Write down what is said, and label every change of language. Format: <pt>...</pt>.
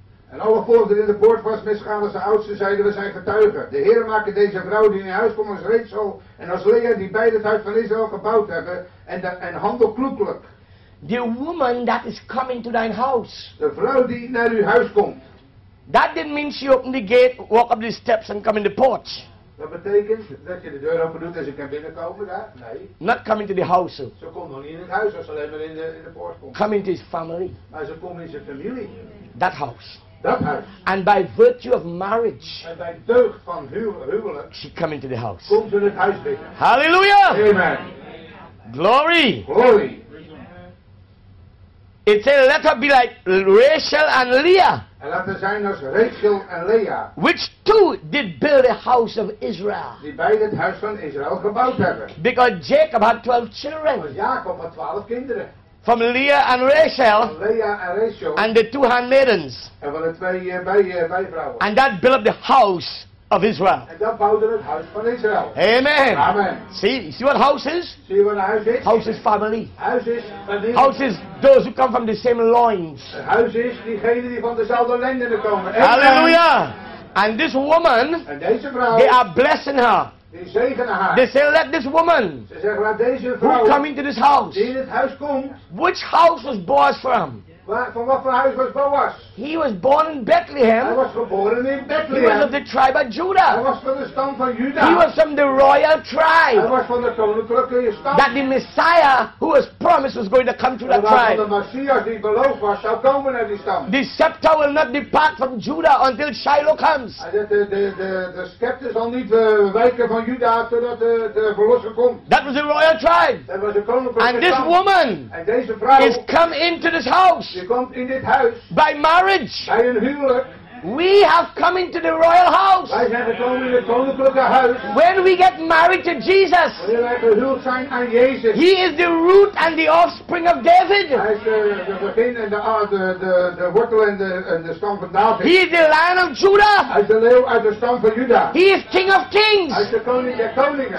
<nl>En alle volgen in de poort was misgaan als de oudste zeiden, we zijn getuigen. De Heer maakte deze vrouw die in huis komt als Rachel en als Leah die beide het huis van Israël gebouwd hebben en handel kloekelijk.</nl> <en>The woman that is coming to thine house.</en> <nl>De vrouw die naar uw huis komt.</nl> <en>That didn't mean she opened the gate, walk up the steps and come in the porch.</en> <nl>Dat betekent dat je de deur open doet en ze kan binnenkomen daar? Nee.</nl> <en>Not coming to the house.</en> <nl>Ze komt nog niet in het huis als ze alleen maar in de poort komt.</nl> <en>Coming to his family.</en> <nl>Maar ze komt in zijn familie.</nl> <en>That house. That house. And by virtue of marriage.</en> <nl>En bij deugd van huwelijk.</nl> <en>She come into the house.</en> <nl>Komt in het huis binnen.</nl> <en>Hallelujah.</en> <nl>Amen.</nl> <en>Glory. Glory. It says, let her be like Rachel and Leah.</en> <nl>En laten zijn als Rachel en Leah.</nl> <en>Which two did build the house of Israel.</en> <nl>Die beide het huis van Israël gebouwd hebben.</nl> <en>Because Jacob had 12 children.</en> <nl>Want Jacob had 12 kinderen.</nl> <en>From Leah and Rachel. Leah and Rachel. And the two handmaidens.</en> <nl>En van de twee bijvrouwen.</nl> <en>And that built up the house of Israel.</en> <nl>En dat bouwde het huis van Israël.</nl> <en>Amen.</en> <nl>Amen.</nl> <en>See what house is? See what house is? House is family. House is family. House is those who come from the same loins. House is</en> <nl>diegenen die van dezelfde lenden komen.</nl> <en>Hallelujah. And this woman.</en> <nl>En deze vrouw.</nl> <en>They are blessing her.</en> <nl>Die zegenen haar.</nl> <en>They say, let this woman.</en> <nl>Ze zeggen, laat deze vrouw.</nl> <en>Who come into this house?</en> <nl>Die in het huis komt.</nl> <en>Which house was Boaz from?</en> <nl>Van wat voor huis was Boaz?</nl> <en>He was born in Bethlehem.</en> <nl>Hij was geboren in Bethlehem.</nl> <en>He was of the tribe of Judah.</en> <nl>Hij was van de stam van Juda.</nl> <en>He was from the royal tribe.</en> <nl>Hij was van de koninklijke stam.</nl> <en>That the Messiah who was promised was going to come to that tribe.</en> <nl>De Messias die beloofd was zou komen naar die stam.</nl> <en>The scepter will not depart from Judah until Shiloh comes.</en> <nl>De scepter zal niet wijken van Juda totdat de verlosser komt.</nl> <en>That was the royal tribe.</en> <nl>Dat was de koninklijke stam.</nl> <en>And this woman is come into this house.</en> <nl>Je komt in dit huis.</nl> <en>By marriage.</en> <nl>Bij een huwelijk.</nl> <en>We have come into the royal house.</en> <nl>Wij zijn gekomen in het koninklijke huis.</nl> <en>When we get married to Jesus.</en> <nl>Wanneer wij gehuwd zijn aan Jezus.</nl> <en>He is the root and the offspring of David.</en> <nl>Hij is de begin en de wortel en de stam van David.</nl> <en>He is the Lion of Judah.</en> <nl>Hij is de leeuw uit de stam van Juda.</nl> <en>He is King of Kings.</en> <nl>Hij is de koning der koningen.</nl>